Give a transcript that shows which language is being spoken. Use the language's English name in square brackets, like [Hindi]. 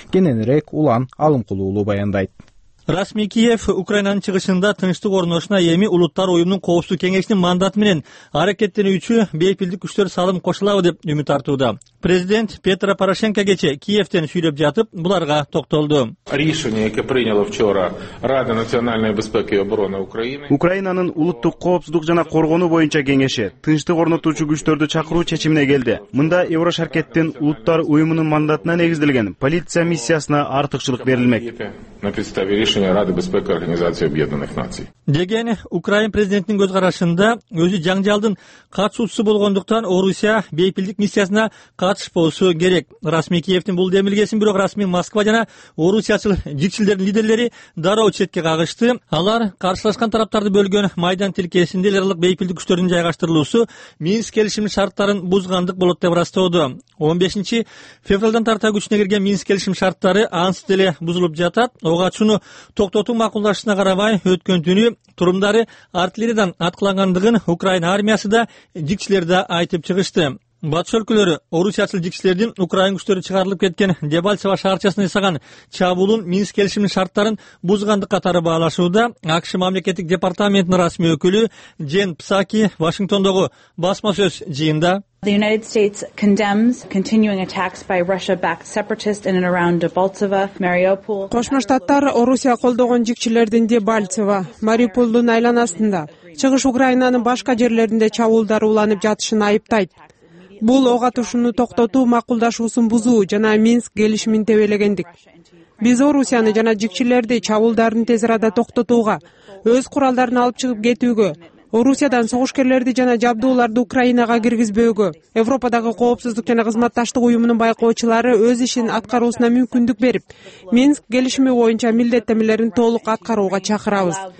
[Kyrgyz] Кененирээк Улан Алымкулуулу баяндайт. Расмий Киев Украинанын чыгышында тынчтык орношуна эми Улуттар Уюмунун Коопсуздук Кеңешинин мандаты менен аракеттенүүчү бейпилдик күчтөр салым кошулабы деп үмүт артууда. Президент Петро Порошенко кече Киевтен сүйлөп жатып, буларга токтолду. [Russian] Решение, которое приняла вчера Рада национальной безопасности и обороны Украины. [Kyrgyz] Украинанын улуттук коопсуздук жана коргоону боюнча кеңеши тынчтык орнотуучу күчтөрдү чакыруу чечимине келди. Мында Еврошаркеттин Улуттар Уюмунун мандатына негизделген полиция миссиясына артыкчылык берилмек. [Russian] Решение Рады безопасности Организации Объединенных Наций. [Kyrgyz] Деген Украин президентинин көз карашында өзү жаңжалдын катышуусу болгондуктан Орусия бейпилдик миссиясына катышпоосу керек. Расмий Киевтин бул демилгесин бирок расмий Москва жана Орусиячыл жикчилдердин лидерлери дароо четке кагышты. Алар каршылашкан тараптарды бөлгөн майдан тилкесинде эл аралык бейпилдик күчтөрдүн жайгаштырылуусу Минск келишими шарттарын бузгандык болот деп ырастоодо. 15 февралдан тарта күчүнө кирген Минск келишим шарттары ансыз деле бузулуп жатат. ок атууну токтотуу макулдашына карабай өткөн түнү турумдары артиллериядан аткылангандыгын Украина армиясы да жикчилер да айтып чыгышты. Батыш өлкөлөрү орусиячыл жикчилердин украин күчтөрү чыгарылып кеткен Дебальцево шаарчасына жасаган чабуулун Минск келишимин шарттарын бузгандык катары баалашууда. АКШ мамлекеттик департаментинин расмий өкүлү Джен Псаки Вашингтондогу басма сөз жыйында [English] The United States condemns continuing attacks by Russia-backed separatists in and around Debaltseve, Mariupol. [Kyrgyz] Кошмо Штаттар Орусия колдогон жикчилердин Дебальцево, Мариуполдун айланасында, Чыгыш Украинанын башка жерлеринде чабуулдар уланып жатышын айыптайт. Бул ок атуушуну токтотуу макулдашуусун бузуу жана Минск келишимин тебелегендик. Биз Орусияны жана жикчилерди чабуулдарын тез арада токтотууга, өз куралдарын алып чыгып кетүүгө, Орусиядан согушкерлерди жана жабдууларды Украинага киргизбөөгө, Европадагы коопсуздук жана кызматташтык уюмунун байкоочулары өз ишин аткаруусуна мүмкүндүк берип, Минск келишими боюнча милдеттенмелерин толук аткарууга чакырабыз.